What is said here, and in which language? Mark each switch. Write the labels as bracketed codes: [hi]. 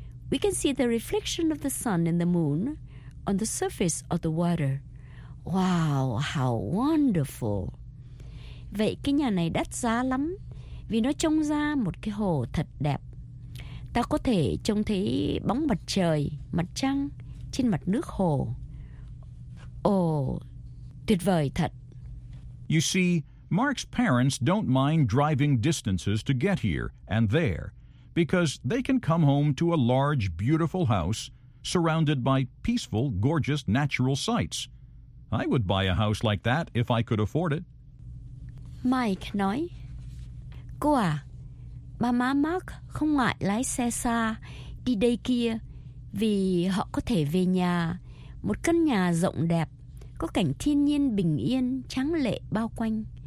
[en] We can see the reflection of the sun and the moon on the surface of the water. Wow, how wonderful. [vi] Vậy cái nhà này đắt giá lắm vì nó trông ra một cái hồ thật đẹp. Ta có thể trông thấy bóng mặt trời, mặt trăng trên mặt nước hồ. Tuyệt vời thật. [en] You see, Mark's parents don't mind driving distances to get here and there because they can come home to a large, beautiful house surrounded by peaceful, gorgeous natural sights. I would buy a house like that if I could afford it. [vi] Mike nói, cô à, ba má Mark không ngại lái xe xa đi đây kia vì họ có thể về nhà, một căn nhà rộng đẹp, có cảnh thiên nhiên bình yên, trắng lệ bao quanh.